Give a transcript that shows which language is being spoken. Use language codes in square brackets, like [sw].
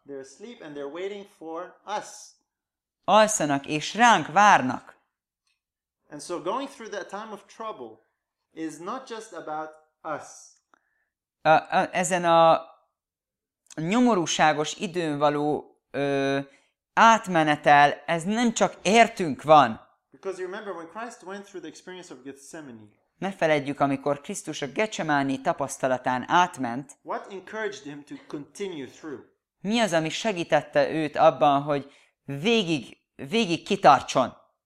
[en] They're asleep and they're waiting for us. [hu] Alszanak és ránk várnak. [en] And so going through that time of trouble is not just about us. [hu] Ezen a nyomorúságos időn való átmenetel, ez nem csak értünk van. [en] Because you remember when Christ went through the experience of Gethsemane. [hu] Ne feledjük, amikor Krisztus a Getsemáné tapasztalatán átment, [en] what encouraged him to continue through? [hu] Mi az, ami segítette őt abban, hogy végig kitartson?